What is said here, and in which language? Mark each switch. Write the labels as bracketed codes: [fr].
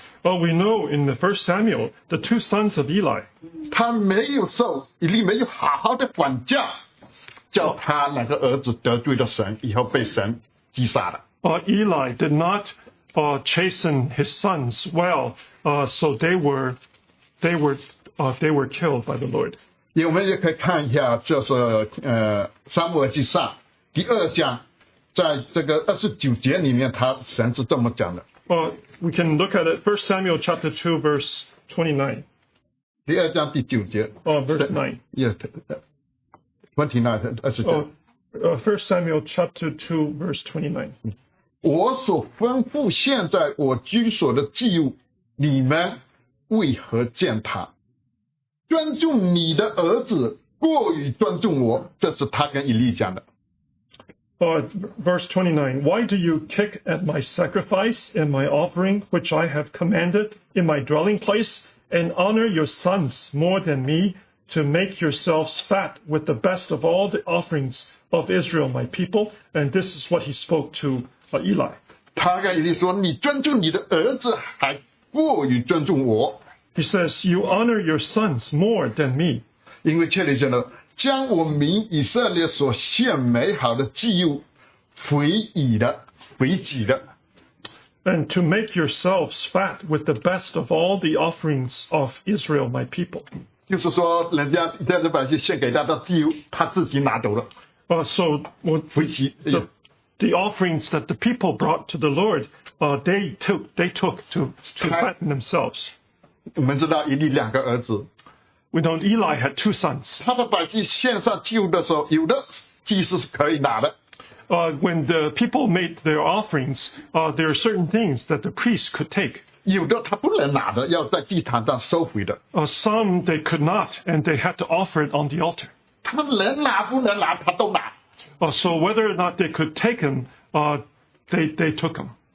[en] Well, we know in the first Samuel the two sons of Eli. [zh] 他没有受以利没有好好的管教，叫他两个儿子得罪了神，以后被神击杀了。 [en] Eli did not. Chasten his sons well, so they were killed by the Lord. [zh] 我们也可以看一下，就是撒母耳记上第二章，在这个29节里面，他神是这么讲的。 [en] We can look at it. 1 Samuel 2:29. [zh] 第二章第九节。 [en] Verse 9. Yes, 29:29. First Samuel chapter 2:29. [zh] 我所吩咐现在我居所的祭物，你们为何践踏？尊重你的儿子过于尊重我，这是他跟以利讲的。 [en] Verse 29, why do you kick at my sacrifice and my offering, which I have commanded in my dwelling place, and honor your sons more than me, to make yourselves fat with the best of all the offerings of Israel, my people? And this is what he spoke to. [zh] 他跟以利说，你尊重你的儿子还过于尊重我。 [en] He says, you honor your sons more than me. [zh] 因为这里讲了，将我民以色列所献美好的祭物肥以的肥己的。 [en] And to make yourselves fat with the best of all the offerings of Israel, my people. [zh] 就是说人家以色列百姓献给他的祭物，他自己拿走了。 [en] So what the offerings that the people brought to the Lord, they took to fatten themselves. [zh] 我们知道以利两个儿子。 [en] We know Eli had two sons. [zh] 他的百姓献上祭物的时候，有的祭司是可以拿的。 [en] When the people made their offerings, there are certain things that the priests could take. [zh] 有的他不能拿的，要在祭坛上收回的。 [en] Some they could not, and they had to offer it on the altar. [zh] 他们能拿不能拿，他都拿。 So whether or not they could take them, they took them.